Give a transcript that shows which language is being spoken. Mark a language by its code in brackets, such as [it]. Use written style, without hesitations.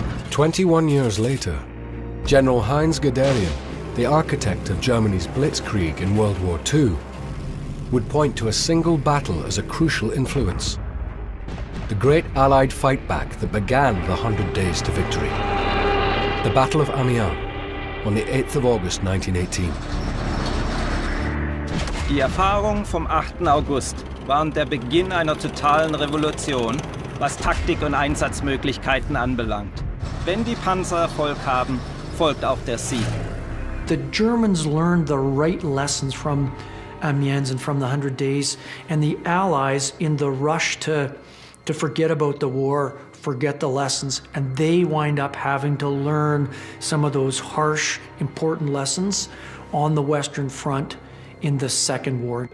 [en] 21 years later, General Heinz Guderian, the architect of Germany's Blitzkrieg in World War II, would point to a single battle as a crucial influence. The great Allied fight back that began the 100 Days to Victory. The Battle of Amiens on the 8th of August 1918. [de] Die Erfahrungen vom 8. August waren der Beginn einer totalen Revolution, was Taktik und Einsatzmöglichkeiten anbelangt. Wenn die Panzer Erfolg haben, folgt auch der Sieg. [en] The Germans learned the right lessons from Amiens and from the 100 Days, and the Allies, in the rush to forget about the war, forget the lessons, and they wind up having to learn some of those harsh, important lessons on the Western Front in the Second War.